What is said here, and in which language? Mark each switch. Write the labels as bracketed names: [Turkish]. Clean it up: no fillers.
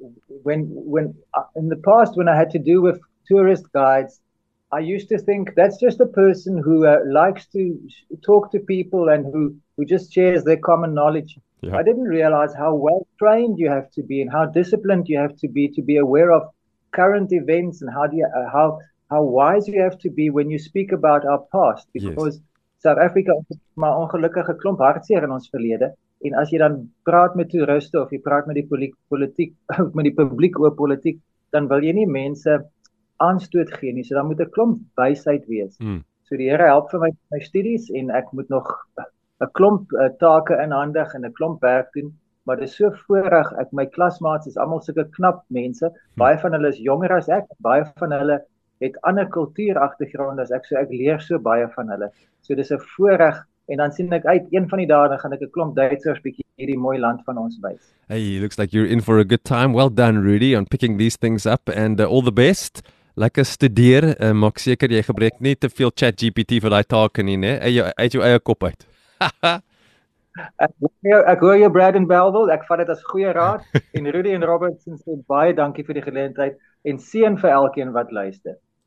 [English] In the past, when I had to do with tourist guides, I used to think that's just a person who likes to talk to people and who just shares their common knowledge. Yeah. I didn't realize how well trained you have to be and how disciplined you have to be aware of current events and how wise you have to be when you speak about our past. Because yes. [Afrikaans] South Africa maar ongelukkige klomp hartseer in ons verlede. En as jy dan praat met toeriste of jy praat met die politiek met die publiek oor politiek, dan wil jy nie mense aanstoot gee nie. So dan moet 'n klomp wysheid wees. So die Here help vir my studies en ek moet nog 'n klomp take inhandig en 'n klomp werk doen, maar dit is so voorreg. Ek my klasmaats is almal sulke knap mense. Baie van hulle is jonger as ek, baie van hulle het ander kultuuragtergronde as ek, so ek leer so baie van hulle. So dis 'n voorreg en dan sien ek uit een van die dae gaan ek 'n klomp Duitsers bietjie hierdie mooi land van ons wys. [English] Hey, looks like you're in for a good time. Well done, Rudy, on picking these things up and all the best. [Afrikaans] Lekker studeer. Maak seker jy gebruik nie te veel ChatGPT vir daai take nie, né? Uit jou eie kop uit. Ek hoor jou, Brad en Belville, ek vat dit as goeie raad en Rudy en Robertson sê baie dankie vir die geleentheid en seën vir elkeen wat luister.